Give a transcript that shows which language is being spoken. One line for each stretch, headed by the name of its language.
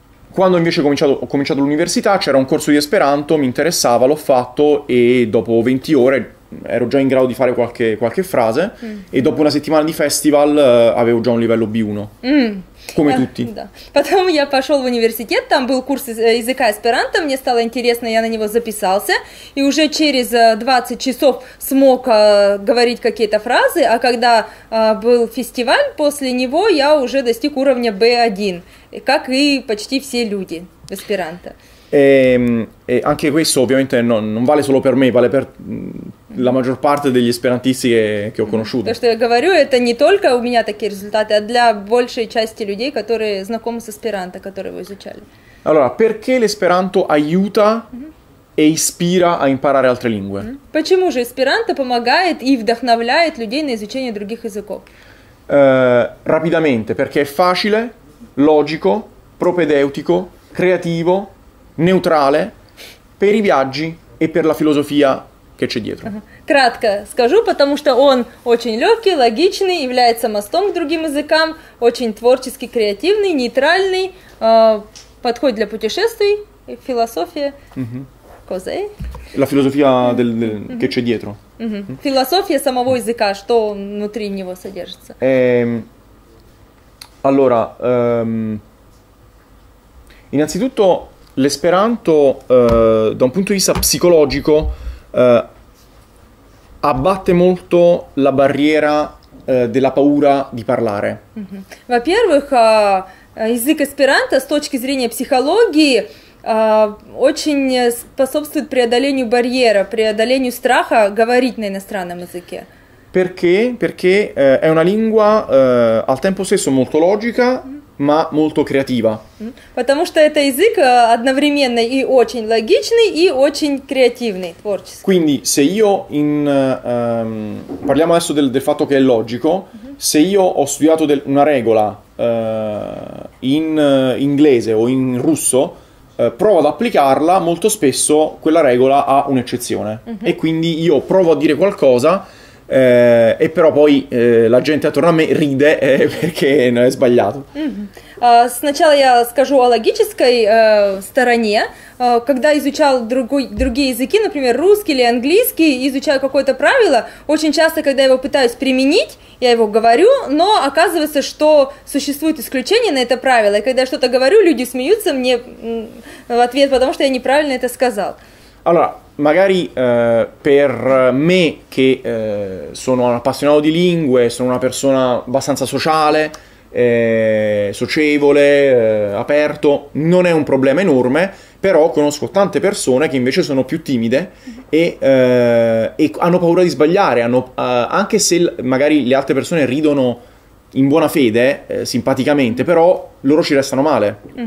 Italian: Quando invece ho cominciato l'università, c'era un corso di esperanto, mi interessava, l'ho fatto e dopo 20 ore ero già in grado di fare qualche frase. Mm-hmm. E dopo una settimana di festival avevo già un livello B1. Mm-hmm. Come tutti.
Russian: Потом я пошел в университет, там был курс языка эсперанто, мне стало интересно, я на него записался, и уже через 20 часов смог говорить какие-то фразы, а когда был фестиваль, после него я уже достиг уровня B1, как и почти все люди в эсперанто.
Italian: E anche questo ovviamente non vale solo per me, vale per la maggior parte degli esperantisti che ho conosciuto.
Russian: То, что я говорю, это не только у меня такие результаты, а для большей части людей, которые знакомы с эсперанто, которые его изучали.
Italian: Allora, perché l'esperanto aiuta e ispira a imparare altre lingue?
Russian: Почему же эсперанто помогает и вдохновляет людей на изучение других языков?
Italian: Rapidamente, perché è facile, logico, propedeutico, creativo, neutrale per i viaggi e per la filosofia che c'è dietro.
Russian: Кратко скажу, потому что он очень легкий, логичный, является мостом к другим языкам, очень творческий, креативный, нейтральный, подходит для путешествий, философия.
Italian: Cos'è? La filosofia del che c'è dietro.
Russian: Filosofia самого языка, что внутри него содержится.
Italian: Allora, innanzitutto l'esperanto da un punto di vista psicologico abbatte molto la barriera della paura di parlare.
Russian: Во-первых, язык эсперанто с точки зрения психологии очень способствует преодолению барьера, преодолению страха говорить на иностранном языке.
Italian: Perché? Perché è una lingua al tempo stesso molto logica, ma molto creativa.
Russian: Потому что это язык одновременно и очень логичный, и очень креативный, творческий.
Italian: Quindi, se io in parliamo adesso del fatto che è logico, se io ho studiato una regola in inglese o in russo, provo ad applicarla, molto spesso quella regola ha un'eccezione. E quindi io provo a dire qualcosa e però poi la gente attorno a me ride perché è sbagliato.
Russian: Сначала я скажу о логической стороне. Когда изучал другие языки, например, русский или английский, изучаю какое-то правило, очень часто, когда я его пытаюсь применить, я его говорю, но оказывается, что существует исключение на это правило. И когда я что-то говорю, люди смеются мне в ответ, потому что я неправильно это сказал.
Italian: Allora, magari per me che sono un appassionato di lingue, sono una persona abbastanza sociale, socievole, aperto, non è un problema enorme, però conosco tante persone che invece sono più timide e hanno paura di sbagliare, anche se magari le altre persone ridono in buona fede, simpaticamente, però loro ci restano male.